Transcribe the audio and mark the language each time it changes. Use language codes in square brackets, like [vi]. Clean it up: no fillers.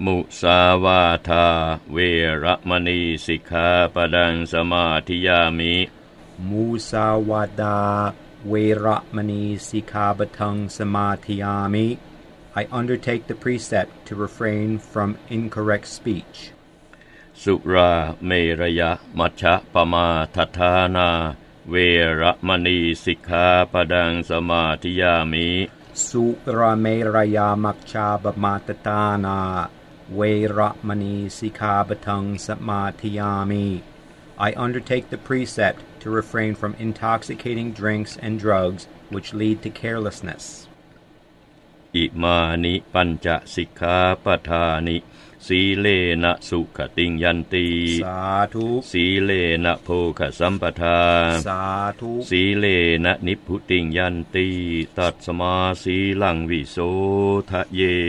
[pi] Musavata veeramani sikha padang samadhiyami. Musavata veeramani sikha padang samadhiyami. [en] I undertake the precept to refrain from incorrect speech. [pi] สุราเมรยะมัชฌะปมาทัฏฐานาเวรมณีสิกขาปดังสมาธิยามิ สุราเมรยะมัชฌะปมาทัฏฐานาเวรมณีสิกขาปทังสมาธิยามิ [en] I undertake the precept to refrain from intoxicating drinks and drugs which lead to carelessness [pi] อิมานิปัญจสิกขาปทานิสีเลนะสุขติงยันติ สาธุ สีเลนะโภคสัมปทา สาธุ สีเลนะนิพพุติงยันติตัตสมาสีลังวิโสทะเย